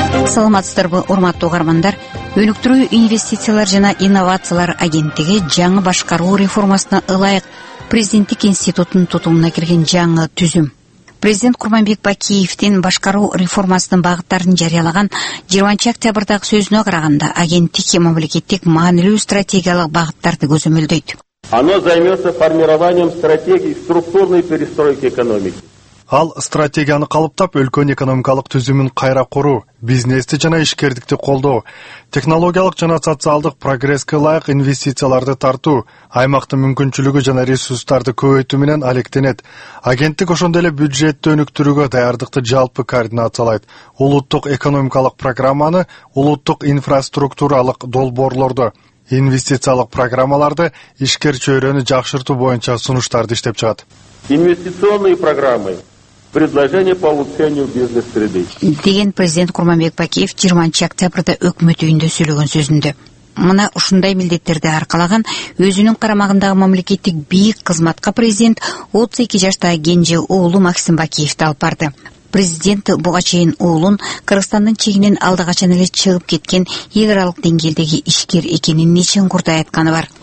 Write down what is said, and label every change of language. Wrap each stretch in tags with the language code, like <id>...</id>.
<ky>Саламатсыздарбы, урматтуу каармандар. Өнүктүрүү инвестициялар жана инновациялар агенттиги жаңы башкаруу реформасына ылайык президенттик институттун тутумуна кирген жаңы түзүм. Президент Курманбек Бакиевдин башкаруу реформасынын багыттарын жарыялаган 20 октябрдагы сөзүнө караганда, агенттик мамлекеттик маанилүү стратегиялык багыттарды көзөмөлдөйт.</ky> <ru>Оно займётся формированием стратегии структурной перестройки экономики.</ru> <ky>Ал стратегияны калыптап, өлкөнүн экономикалык түзүмүн кайра куруу, бизнести жана ишкердикти колдоо, технологиялык жана социалдык прогресске ылайык инвестицияларды тартуу, аймактын мүмкүнчүлүгү жана ресурстарды көбөйтүү менен алектенет. Агенттик ошондой эле бюджетти өнүктүрүүгө даярдыкты жалпы координациялайт. Улуттук экономикалык программаны, улуттук инфраструктуралык долбоорлорду, инвестициялык программаларды ишкер чөйрөнү жакшыртуу боюнча сунуштарды иштеп чыгат.</ky> <ru>Инвестиционные программы, предложение по улучшению бизнес-среды.</ru> <ky>Деген президент Курманбек Бакиев 20 октябрда өкмөт үйүндө сүйлөгөн сөзүндө. Мына ушундай милдеттерди аркалаган өзүнүн карамагындагы мамлекеттик бийик кызматка президент 32 жаштагы кенже уулу Максим Бакиевди алып барды. Президент буга чейин уулун Кыргызстандын чегинен алды качан эле чыгып кеткен эл аралык деңгээлдеги ишкер экенин нечен курдай айтканы бар.</ky>